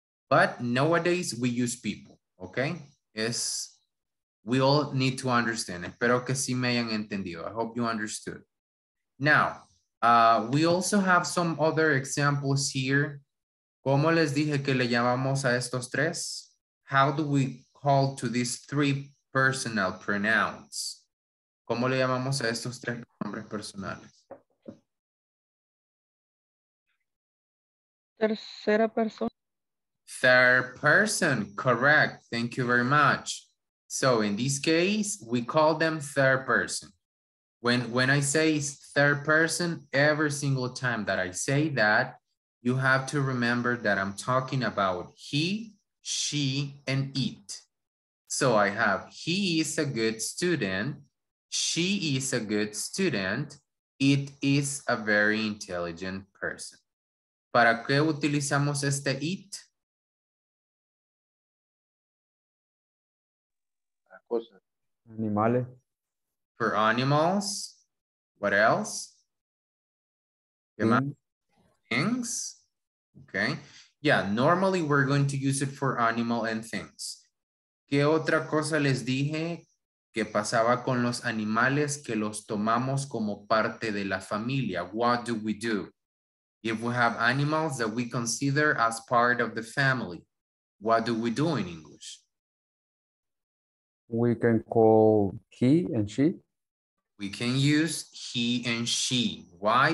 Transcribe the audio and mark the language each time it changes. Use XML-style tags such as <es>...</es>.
<en>But nowadays we use people, okay? Es, we all need to understand.</en> <es>Espero que sí me hayan entendido.</es> <en>I hope you understood. Now, we also have some other examples here.</en> <es>¿Cómo les dije que le llamamos a estos tres?</es> <en>How do we call to these three personal pronouns?</en> <es>¿Cómo le llamamos a estos tres nombres personales? Tercera persona.</es> <en>Third person, correct. Thank you very much. So in this case, we call them third person. When I say third person, every single time that I say that, you have to remember that I'm talking about he, she, and it. So I have, he is a good student. She is a good student. It is a very intelligent person.</en> <es>¿Para qué utilizamos este it? Cosas. Animales.</es> <en>For animals, what else? Things. Okay. Yeah, normally we're going to use it for animal and things.</en> <es>¿Qué otra cosa les dije que pasaba con los animales que los tomamos como parte de la familia?</es> <en>What do we do if we have animals that we consider as part of the family? What do we do in English? We can call he and she. We can use he and she. Why?</en>